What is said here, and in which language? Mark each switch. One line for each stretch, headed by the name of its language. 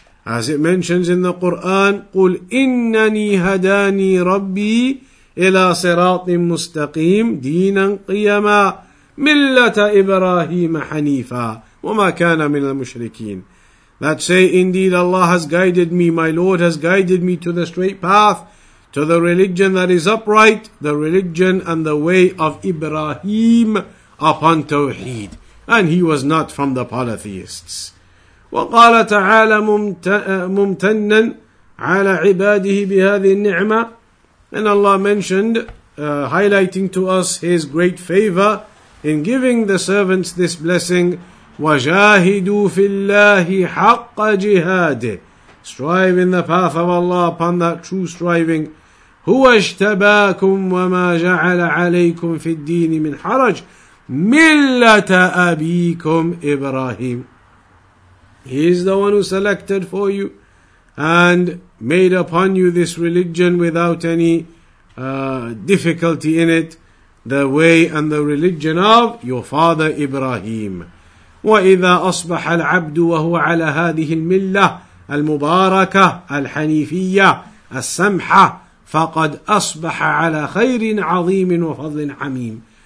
English: As it mentions in the Quran,
Arabic: قُلْ إِنَّنِي هَدَانِي رَبِّي إِلَى صِرَاطٍ مُسْتَقِيمٍ دِينًا قِيَمًا مِلَّةَ إِبْرَاهِيمَ حَنِيفًا وَمَا كَانَ مِنَ الْمُشْرِكِينَ.
English: That say, indeed Allah has guided me, my Lord has guided me to the straight path, to the religion that is upright, the religion and the way of Ibrahim upon Tawheed. And he was not from the polytheists.
Arabic: وقال تعالى ممتنا على عباده بهذه النعمة.
English: And Allah mentioned, highlighting to us His great favor in giving the servants this blessing,
Arabic: وجاهدوا في الله حق جهاده.
English: Strive in the path of Allah upon that true striving.
Arabic: هو اجتباكم وما جعل عليكم في الدين من حرج ملة أبيكم إبراهيم.
English: He is the one who selected for you and made upon you this religion without any difficulty in it, the way and the religion of your father Ibrahim.
Arabic: وَإِذَا أَصْبَحَ الْعَبْدُ وَهُوَ عَلَى هَذِهِ الْمِلَّةِ الْمُبَارَكَةِ الْحَنِيفِيَّةِ السَّمْحَةِ فَقَدْ أَصْبَحَ عَلَى خَيْرٍ عَظِيمٍ وَفَضْلٍ حَمِيمٍ.